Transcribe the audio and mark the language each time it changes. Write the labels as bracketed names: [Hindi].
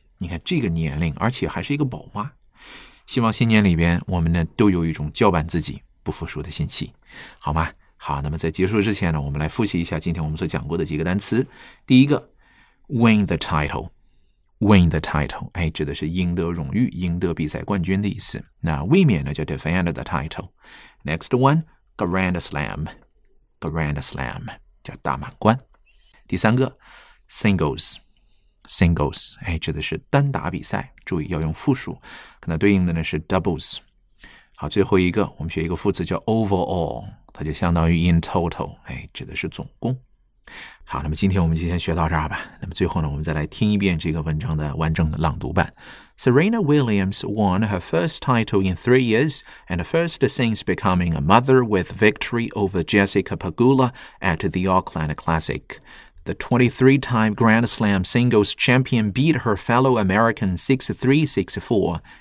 [Chinese] 你看这个年龄，而且还是一个宝妈。希望新年里边我们呢都有一种叫板自己不服输的心气，好吗？好，那么在结束之前呢，我们来复习一下今天我们所讲过的几个单词。第一个 [English] win the title， win the title， [Chinese] 哎，指的是赢得荣誉，赢得比赛冠军的意思。那卫冕呢叫 [English] defend the title。 Next one， grand slam， grand slam [Chinese] 叫大满贯。第三个 singles，Singles， 哎，指的是单打比赛，注意要用复数，可能对应的呢是 doubles。好，最后一个我们学一个副词叫 overall， 它就相当于 [English] in total， [Chinese] 哎，指的是总共。好，那么今天我们就先学到这儿吧。那么最后呢我们再来听一遍这个文章的完整的朗读版。 [English] Serena Williams won her first title in 3 years and first since becoming a mother with victory over Jessica Pegula at the Auckland ClassicThe 23-time Grand Slam singles champion beat her fellow American 6-3, 6-4.